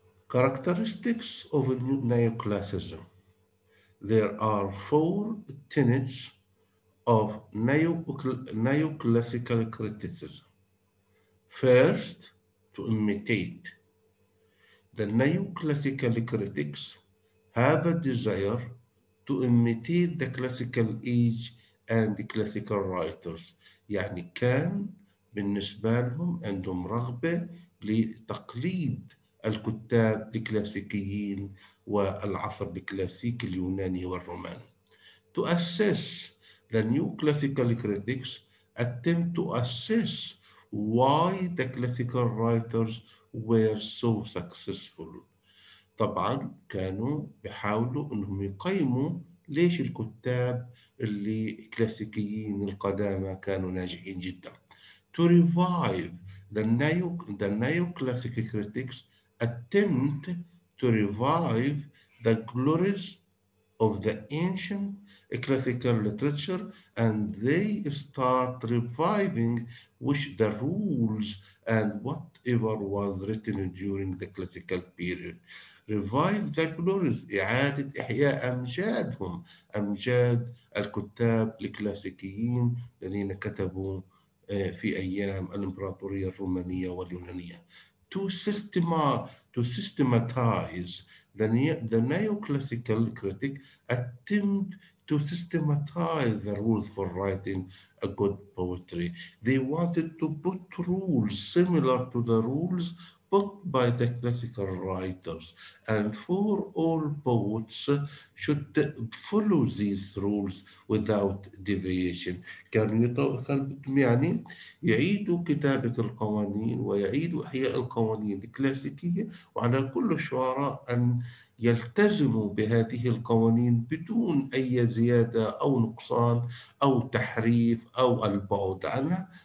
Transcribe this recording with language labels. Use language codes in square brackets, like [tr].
[en] Characteristics of Neoclassicism. There are four tenets of neoclassical criticism. First, to imitate. The neoclassical critics have a desire to imitate the classical age and the classical writers. [ar] يعني كان بالنسبة لهم عندهم رغبة لتقليد الكتاب الكلاسيكيين والعصر الكلاسيكي اليوناني والروماني. [en] To assess. The new classical critics attempt to assess why the classical writers were so successful. [ar] طبعا كانوا بيحاولوا انهم يقيموا ليش الكتاب اللي كلاسيكيين القدامى كانوا ناجحين جدا. [en] To revive the neoclassical critics attempt to revive the glories of the ancient classical literature, and they start reviving which the rules and whatever was written during the classical period. Revive the glories, [ar] إعادة إحياء أمجادهم, أمجاد الكتاب الكلاسيكيين الذين كتبوا في أيام الإمبراطورية الرومانية واليونانية. [en] To systematize the neoclassical critic attempt to systematize the rules for writing a good poetry. They wanted to put rules similar to the rules put by the classical writers. And for all poets should follow these rules without deviation. [ar] كانوا يعني يعيدوا كتابة القوانين ويعيدوا إحياء القوانين الكلاسيكية وعلى كل الشعراء أن يلتزموا بهذه القوانين بدون أي زيادة أو نقصان أو تحريف أو البعد عنها.